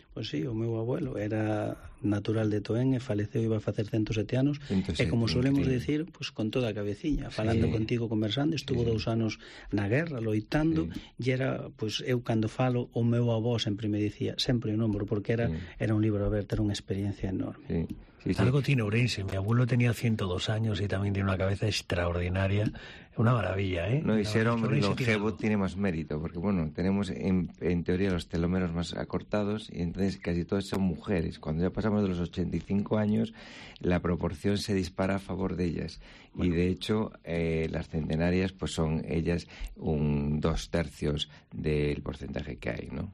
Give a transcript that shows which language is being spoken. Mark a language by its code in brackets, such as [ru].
[gl] Pues sí, o meu abuelo era natural de Toén e faleceu, iba a facer 107 anos. E como solemos decir, pues con toda a cabeciña, falando, sí, contigo, conversando, estuvo, sí, 2 anos na guerra, loitando, sí, e era, pues eu cando falo, o meu avó sempre me dicía, sempre o nombro, porque era, sí, era un libro aberto, era unha experiencia enorme. Sí. [es] Sí, algo, sí, tiene Ourense. Mi abuelo tenía 102 años [gl] e tamén [es] tiene unha cabeza extraordinaria. Una maravilla, ¿eh? No, y ser hombre longevo tiene más mérito, porque, bueno, tenemos en teoría los telómeros más acortados y entonces casi todas son mujeres. Cuando ya pasamos de los 85 años, la proporción se dispara a favor de ellas. Bueno. Y, de hecho, las centenarias pues son ellas un 2/3 del porcentaje que hay, ¿no?